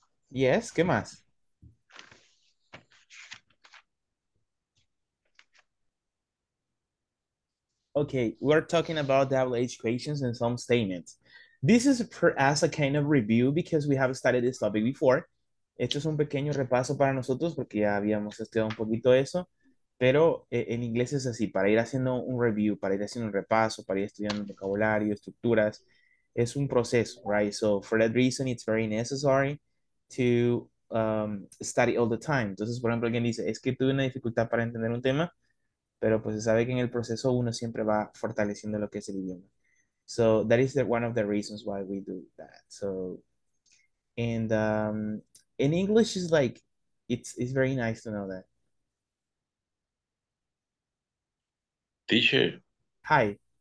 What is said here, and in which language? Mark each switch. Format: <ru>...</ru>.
<es>Yes, ¿qué más?</es> <en>Okay, we're talking about WH questions and some statements. This is as a kind of review because we have studied this topic before.</en> <es>Esto es un pequeño repaso para nosotros porque ya habíamos estudiado un poquito eso, pero en inglés es así, para ir haciendo un review, para ir haciendo un repaso, para ir estudiando vocabulario, estructuras, es un proceso, right?</es> <en>So for that reason, it's very necessary to study all the time.</en> <es>Entonces, por ejemplo, alguien dice, es que tuve una dificultad para entender un tema, pero pues se sabe que en el proceso uno siempre va fortaleciendo lo que es el idioma.</es> <en>So that is one of the reasons why we do that. So, and in English is like, it's very nice to know that. Teacher. Hi.</en>